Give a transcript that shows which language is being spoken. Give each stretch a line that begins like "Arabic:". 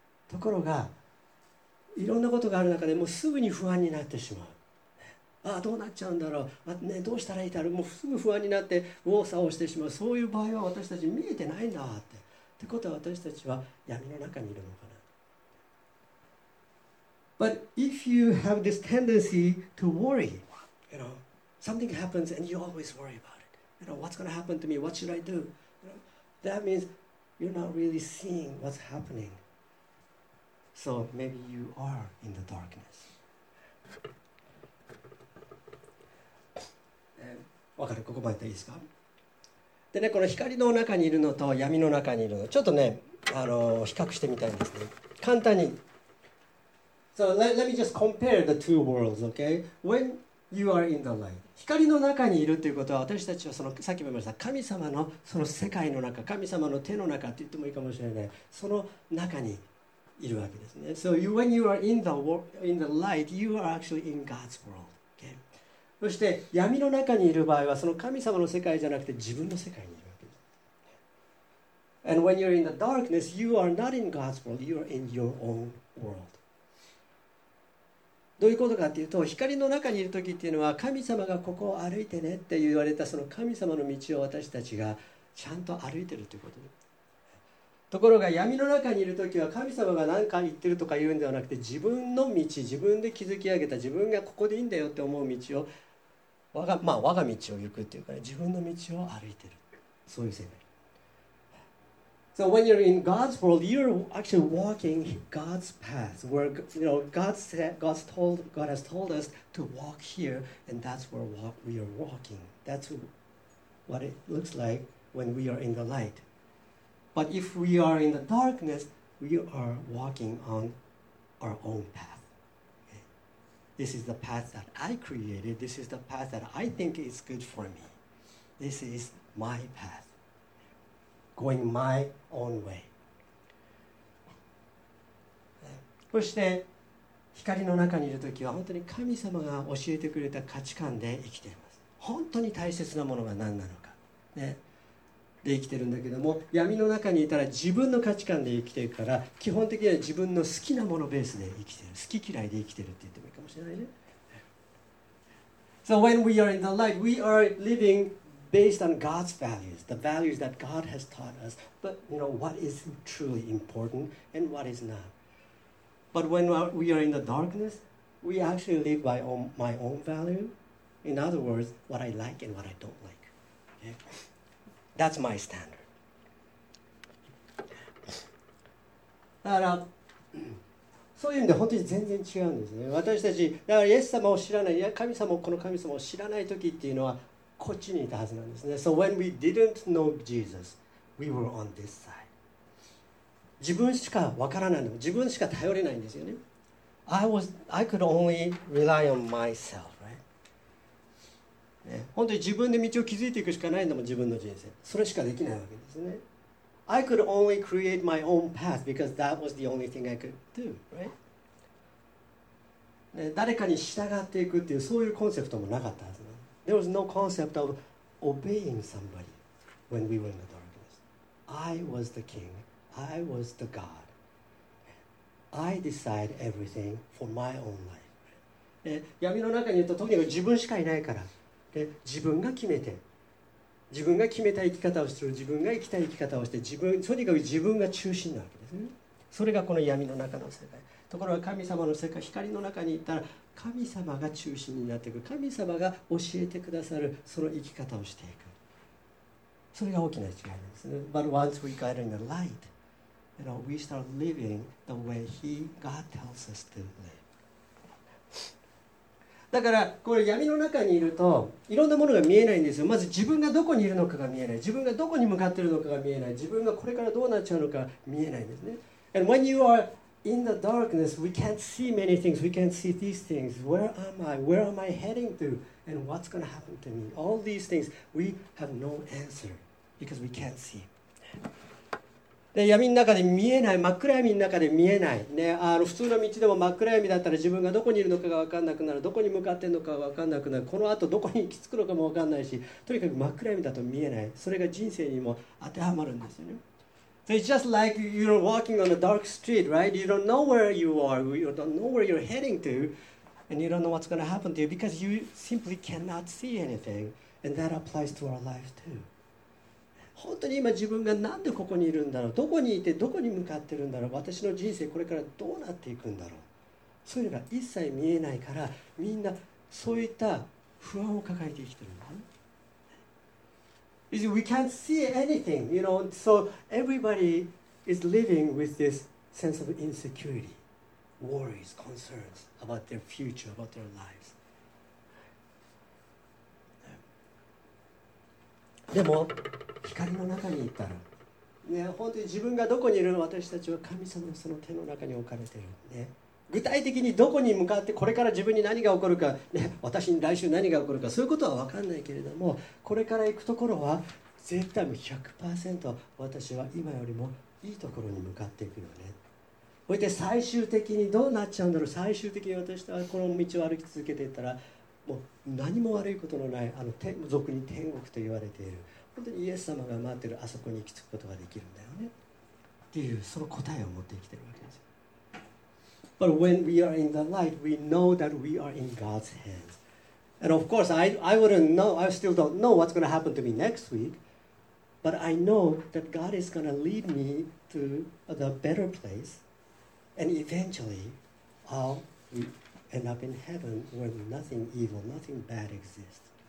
Japanese: ところが、いろんなことがある中でもすぐに不安になってしまう。ああどうなっちゃうんだろう、ね、どうしたらいいだろう、もうすぐ不安になって右往左往してしまう、そういう場合は私たち見えてないんだって、ってことは私たちは闇の中にいるのかな。
English: But if you have this tendency to worry, you know, something happens and you always worry about it, you know, what's going to happen to me, what should I do, you know, that means you're not really seeing what's happening, so maybe you are in the darkness.
Japanese: わかる、ここまででいいですか。でね、この光の中にいるのと闇の中にいるの、ちょっとね、比較してみたいんですね。簡単に。
English: So let me just compare the two worlds, okay? When you are in the light.
Japanese: 光の中にいるということは、私たちはその、さっきも言いました、神様のその世界の中、神様の手の中って言ってもいいかもしれない。その中にいるわけですね。
English: So you, when you are in the light, you are actually in God's world.
Japanese: そして闇の中にいる場合はその神様の世界じゃなくて自分の世界にいるわけです。
English: And when you're in the darkness, you are not in God's world, you are in your own world.
Japanese: どういうことかっていうと、光の中にいる時っていうのは神様がここを歩いてねって言われたその神様の道を私たちがちゃんと歩いてるということです。ところが闇の中にいるときは神様が何か言ってるとか言うんではなくて、自分の道、自分で築き上げた自分がここでいいんだよって思う道を、我が道を行くっていうか、ね、自分の道を歩いてる、そういう世界。
English: So when you're in God's world, you're actually walking God's path, where, you know, God has told us to walk here, and that's where we are walking. That's what it looks like when we are in the light. But if we are in the darkness, we are walking on our own path. Okay? This is the path that I created. This is the path that I think is good for me. This is my path. Going my own way.
Japanese: そして光の中にいるときは本当に神様が教えてくれた価値観で生きています。本当に大切なものが何なのか、ね、で生きてるんだけども、闇の中にいたら自分の価値観で生きてるから、基本的には自分の好きなものベースで生きてる、好き嫌いで生きてるって言ってもいいかもしれないね。
English: So when we are in the light, we are living based on God's values, the values that God has taught us, but you know what is truly important and what is notBut when we are in the darkness, we actually live by my own value. In other words, what I like and what I don't like. Okay? That's my standard.
Japanese: だから、そういう意味で本当に全然違うんですね。私たち、だからイエス様を知らない、いや神様、この神様を知らない時っていうのは、こっちにいたはずなんですね。
English: So when we didn't know Jesus, we were on this side.
Japanese: 自分しか分からないの、自分しか頼れないんですよね。
English: I could only rely on myself, right?
Japanese: ね、本当に自分で道を築いていくしかないのも自分の人生。それしかできないわけですね。
English: I could only create my own path because that was the only thing I could do, right?
Japanese: ね、誰かに従っていくっていうそういうコンセプトもなかったはずな。
English: There was no concept of obeying somebody when we were in the darkness. I was the king. I was the God. I decide everything for my own life.
Japanese: で、闇の中にいると、とにかく自分しかいないから、で、自分が決めて、自分が決めた生き方をする、自分が生きたい生き方をして、自分、とにかく自分が中心なわけですね。それがこの闇の中の世界。ところが神様の世界、光の中にいたら、神様が中心になっていく。神様が教えてくださる、その生き方をしていく。それが大きな違いですね。
English: But once we got in the light,You know, we start living the way He, God tells us to live.
Japanese: だからこれ闇の中にいるといろんなものが見えないんですよ。まず自分がどこにいるのかが見えない。自分がどこに向かっているのかが見えない。自分がこれからどうなっちゃうのか見えないんですね。
English: And when you are in the darkness, we can't see many things. We can't see these things. Where am I? Where am I heading to? And what's going to happen to me? All these things, we have no answer because we can't see.
Japanese: で闇の中で見えない、真っ暗闇の中で見えない、ね、あの普通の道でも真っ暗闇だったら自分がどこにいるのかが分かんなくなる、どこに向かっているのかが分かんなくなる、このあとどこに行き着くのかも分かんないし、とにかく真っ暗闇だと見えない、それが人生にも当てはまるんですよね。
English: So it's just like you're walking on a dark street, right? You don't know where you are, you don't know where you're heading to, and you don't know what's going to happen to you because you simply cannot see anything, and that applies to our life too.
Japanese: 本当に今自分がなんでここにいるんだろう、どこにいてどこに向かってるんだろう、私の人生これからどうなっていくんだろう、そういうのが一切見えないから、みんなそういった不安を抱えて生きてるんだ。
English: We can't see anything, you know, so everybody is living with this sense of insecurity, worries, concerns about their future, about their lives.
Japanese: でも光の中にいたら、ね、本当に自分がどこにいるの、私たちは神様のその手の中に置かれている、ね、具体的にどこに向かってこれから自分に何が起こるか、ね、私に来週何が起こるか、そういうことは分からないけれども、これから行くところは絶対 100% 私は今よりもいいところに向かっていくよね。そして最終的にどうなっちゃうんだろう、最終的に私はこの道を歩き続けていったら、もう何も悪いことのない、あの天俗に天国と言われている、本当にイエス様が待ってるあそこに行き着くことができるんだよねっていう、その答えを持って生きてるわけですよ。
English: But when we are in the light, we know that we are in God's hands. And of course, I wouldn't know, I still don't know what's going to happen to me next week. But I know that God is going to lead me to the better place. And eventually, I'll end up in heaven where nothing evil, nothing bad exists.